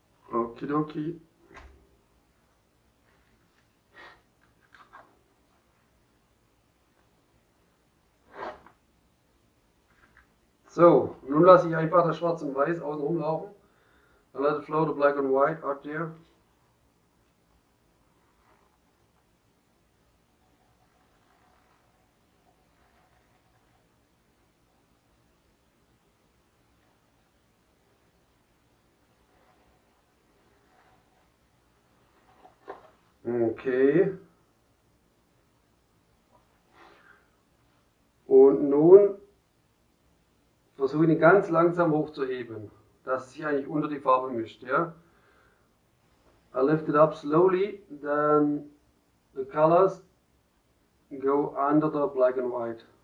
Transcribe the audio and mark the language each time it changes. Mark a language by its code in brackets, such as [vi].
[de] Okidoki. So, nun lasse ich einfach das Schwarz und Weiß außen rumlaufen. [en] I let it flow the black and white out there. Okay. [de] Und nun versuche ihn ganz langsam hochzuheben, dass sich eigentlich unter die Farbe mischt. Ja? [en] I lift it up slowly, then the colors go under the black and white.